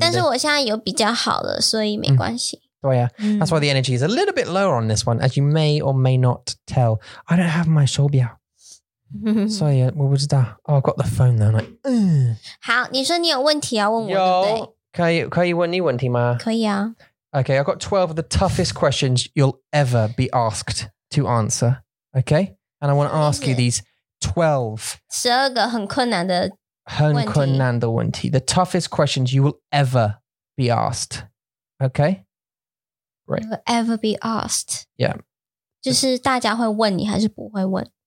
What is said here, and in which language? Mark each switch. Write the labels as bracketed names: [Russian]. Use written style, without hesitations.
[Chinese] 但是我现在有比较好了，所以没关系。对呀。 [English] That's why the energy is a little bit lower on this one, as you may or may not tell. I don't have my [Chinese] 手表。所以我不知道。 [English] Oh, I got the phone though. Like, [Chinese] 好，你说你有问题要问我，对不对？可以问你问题吗？可以啊。 [English] Okay, I've got 12 of the toughest questions you'll ever be asked to answer. Okay? And I want to ask you these 12 [Chinese] 很困难的问题 [English] The toughest questions you will ever be asked. Okay? Great. You will ever be asked. Yeah. [Chinese] 就是大家会问你还是不会问?